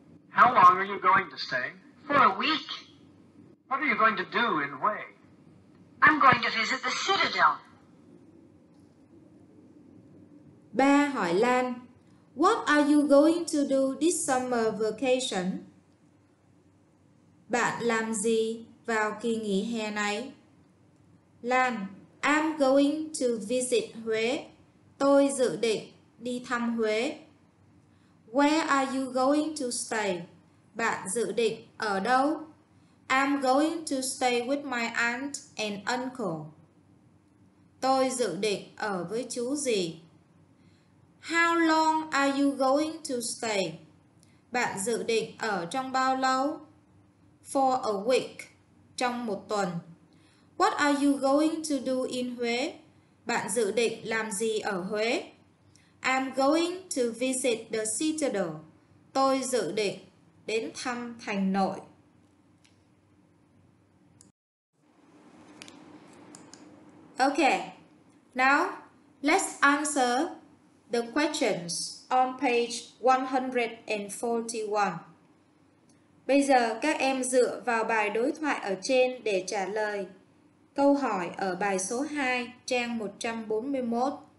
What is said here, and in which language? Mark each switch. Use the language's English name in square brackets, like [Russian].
[English] How long are you going to stay? For a week. What are you going to do in Hue? I'm going to visit the Citadel. Ba hỏi Lan, what are you going to do this summer vacation? [Vietnamese] Bạn làm gì vào kỳ nghỉ hè này? Lan, [English] I'm going to visit Huế. [Vietnamese] Tôi dự định đi thăm Huế. [English] Where are you going to stay? [Vietnamese] Bạn dự định ở đâu? [English] I'm going to stay with my aunt and uncle. [Vietnamese] Tôi dự định ở với chú gì? [English] How long are you going to stay? [Vietnamese] Bạn dự định ở trong bao lâu? [English] For a week. [Vietnamese] Trong một tuần. [English] What are you going to do in Huế? [Vietnamese] Bạn dự định làm gì ở Huế? [English] I'm going to visit the citadel. [Vietnamese] Tôi dự định đến thăm thành nội. [English] Okay, now let's answer the questions on page 141. [Vietnamese] Bây giờ các em dựa vào bài đối thoại ở trên để trả lời câu hỏi ở bài số 2, trang 141.